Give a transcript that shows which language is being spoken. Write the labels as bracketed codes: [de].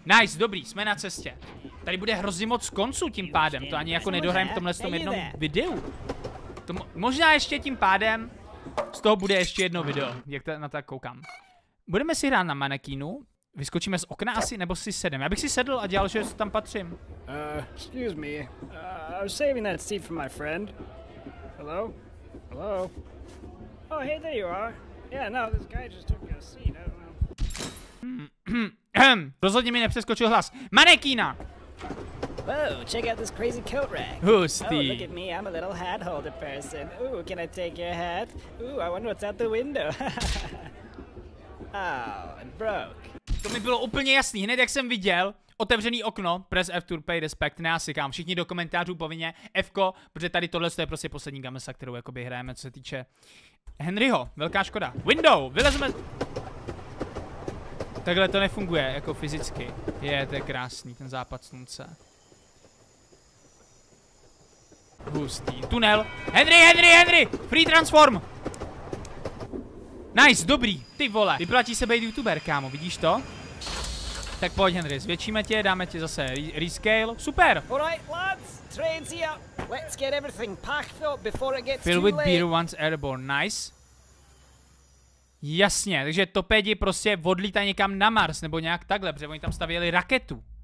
[cs] Nice, dobrý, jsme na cestě. Tady bude hrozně moc konců tím pádem, to ani jako nedohrajeme v tomhle tom jednom videu. To možná ještě tím pádem z toho bude ještě jedno video, jak to, na to koukám. Budeme si hrát na manekínu. Vyskočíme z okna asi, nebo si sedem. Já bych si sedl a dělal, že tam patřím. [en] Excuse me. I was saving that seat for my friend. Hello? Hello? Oh, hey, there you are. Yeah, no, this guy just took your seat. I don't know. [cs] Rozhodně mi nepřeskočil hlas. Manekína! [en] Whoa, check out this crazy coat rack. [cs] Hustý. [en] Oh, look at me, I'm a little hat holder person. Ooh, can I take your hat? Ooh, I wonder what's out the window. Oh, I'm broke. [cs] To mi bylo úplně jasný, hned jak jsem viděl otevřený okno, [en] press F to pay respect, [cs] neasikám, všichni do komentářů povinně F-ko, protože tady tohle je prostě poslední gamesa, kterou jakoby hrajeme, co se týče Henryho, velká škoda. Window, vylezeme. Takhle to nefunguje, jako fyzicky. Je, to je krásný, ten západ slunce. Hustý, tunel. Henry, free transform. Nice, dobrý, ty vole, vyplatí se být youtuber, kámo, vidíš to? Tak pojď Henry, zvětšíme tě, dáme ti zase rescale, super! [en] Alright lads, train's here, let's get everything packed up before it gets filled too late. Fill with beer once airborne, nice. [cs] Jasně, takže topedi prostě odlítají někam na Mars, nebo nějak takhle, protože oni tam stavěli raketu.